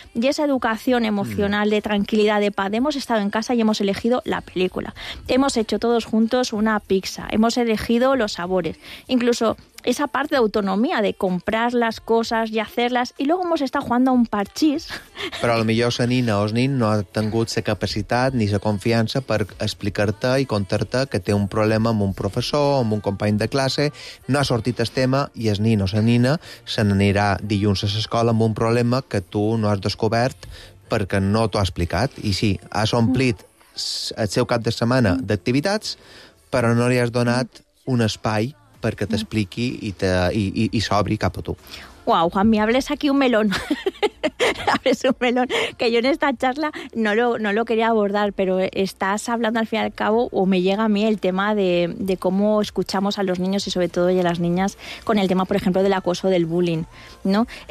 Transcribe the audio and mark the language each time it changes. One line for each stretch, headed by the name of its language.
Spanish: Y esa educación emocional de tranquilidad, de paz, hemos estado en casa y hemos elegido la película. Hemos hecho todos juntos una pizza, hemos elegido los sabores. Incluso esa parte de autonomía, de comprar las cosas y hacerlas, y luego hemos estado jugando a un parchís.
Catalan: Però a lo mejor la nina o el nin no ha tingut la capacitat ni la confiança per explicar-te i contar-te que té un problema amb un professor, amb un company de classe, no ha sortit el tema, i el nin o la nina se n'anirà dilluns a l'escola amb un problema que tu no has descobert perquè no t'ho ha explicat. I sí, has omplit el seu cap de setmana d'activitats, però no li has donat un espai perquè t'expliqui i s'obri cap a tu.
Spanish: Uau, Juanmi, hables aquí un melón. Hables un melón que yo en esta charla no lo quería abordar, pero estás hablando al fin y al cabo, o me llega a mí el tema de cómo escuchamos a los niños y sobre todo y a las niñas con el tema, por ejemplo, del acoso, del bullying, ¿no?